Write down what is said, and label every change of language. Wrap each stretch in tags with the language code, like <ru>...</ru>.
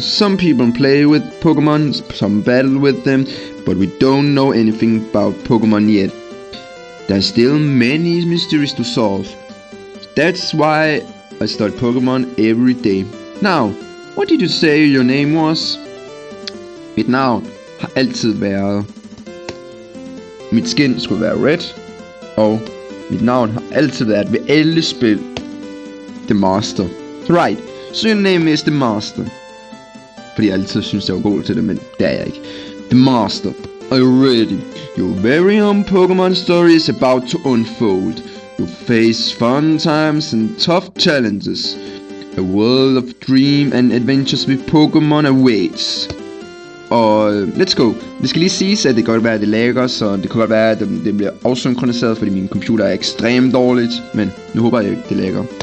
<en>Some people play with Pokémon, some battle with them, but we don't know anything about Pokémon yet. There's still many mysteries to solve. That's why I start Pokémon every day. Now, what did you say your name was?</en> <da>Mit navn har altid været... Mit skin skulle være red, og mit navn har altid været ved alle spil. The Master.</da> <en>Right, so your name is The Master.</en> <da>Fordi jeg altid synes, jeg var god til det, men det er jeg ikke.</da> <en>The Master. Already. Your very own Pokémon story is about to unfold. You face fun times and tough challenges. A world of dream and adventures with Pokémon awaits. Og let's go.</en> <da>Det skal lige siges, at det kan godt være, at det lagger, så det kan godt være, at det bliver afsynkroniseret, fordi min computer er ekstremt dårligt. Men nu håber jeg, det lagger.</da>